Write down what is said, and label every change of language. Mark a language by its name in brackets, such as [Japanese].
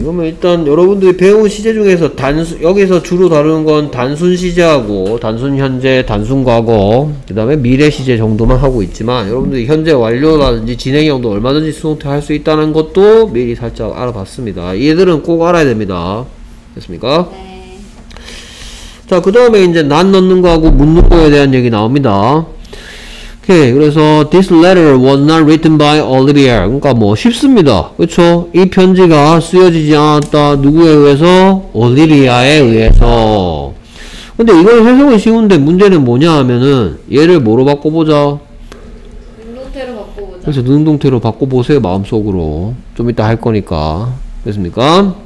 [Korean] 그러면 일단 여러분들이 배운 시제 중에서 단순 여기서 주로 다루는 건 단순 시제하고 단순 현재, 단순 과거, 그다음에 미래 시제 정도만 하고 있지만 여러분들이 현재 완료라든지 진행형도 얼마든지 수동태 할 수 있다는 것도 미리 살짝 알아봤습니다. 얘들은 꼭 알아야 됩니다. 됐습니까? 네. 자, 그다음에 이제 난 넣는 거하고 묻는 거에 대한 얘기 나옵니다. [English] 오케이. 그래서 this letter was not written by Olivia. [Korean] 그러니까 뭐 쉽습니다. 그렇죠? 이 편지가 쓰여지지 않았다. 누구에 의해서? 올리비아에 의해서. 근데 이건 해석은 쉬운데 문제는 뭐냐 하면은 얘를 뭐로 바꿔보자? 능동태로 바꿔보자. 그래서 능동태로 바꿔보세요. 마음속으로. 좀 이따 할 거니까. 됐습니까?